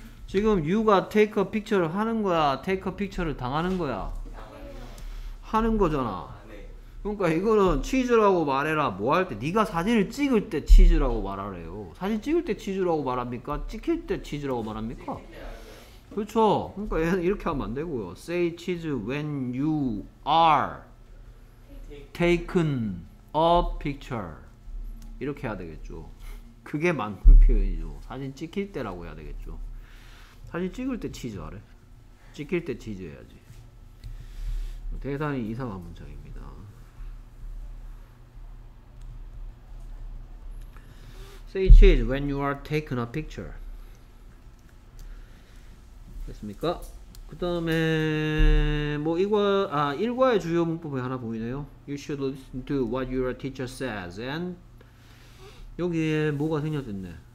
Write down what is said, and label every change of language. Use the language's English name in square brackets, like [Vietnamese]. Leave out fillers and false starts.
[Korean] 지금 [English] you [Korean] 가 [English] take a picture [Korean] 를 하는 거야. [English] Take a picture [Korean] 를 당하는 거야. 하는 거잖아. 그러니까 이거는 치즈라고 말해라. 뭐 할 때 네가 사진을 찍을 때 치즈라고 말하래요. 사진 찍을 때 치즈라고 말합니까? 찍힐 때 치즈라고 말합니까? 그렇죠. 그러니까 얘는 이렇게 하면 안 되고요. [English] Say cheese when you are taken a picture. [Korean] 이렇게 해야 되겠죠. 그게 맞는 표현이죠. 사진 찍힐 때라고 해야 되겠죠. 사진 찍을 때 치즈 하래. 찍힐 때 치즈 해야지. 대단히 이상한 문장입니다. [English] Say cheese when you are taking a picture. [Korean] 됐습니까? 그 다음에 뭐 이거 아 일과의 주요 문법이 하나 보이네요. [English] You should listen to what your teacher says and [Korean] 여기에 뭐가 생겨졌네.